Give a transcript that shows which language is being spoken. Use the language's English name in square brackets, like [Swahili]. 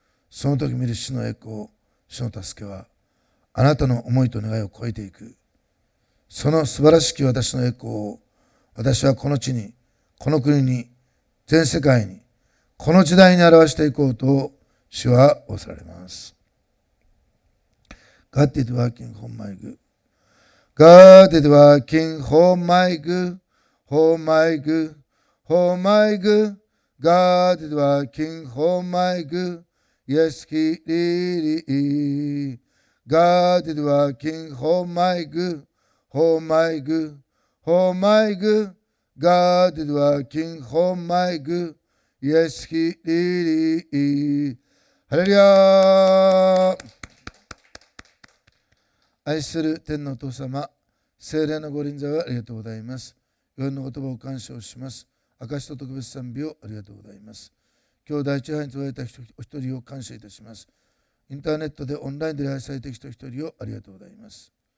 [Japanese] そのとき見る主の栄光、主の助けはあなたの思いと願いを超えていく。その素晴らしき私の栄光を、私はこの地に、この国に、全世界に、この時代に表していこうと主は仰せられます。 [English] God is working for my goodGod is working for my good, for my good, for my good.God is working for my good.Yes, He really.God is working for my good, for my good, for my good.God is working for my good.Yes, He really.Hallelujah! [Japanese] 愛する天のお父様、聖霊のご臨在をありがとうございます。御言の言葉を感謝をします。証と特別賛美をありがとうございます。今日第一班に集われた人お一人を感謝いたします。インターネットでオンラインで礼拝されている人お一人をありがとうございます。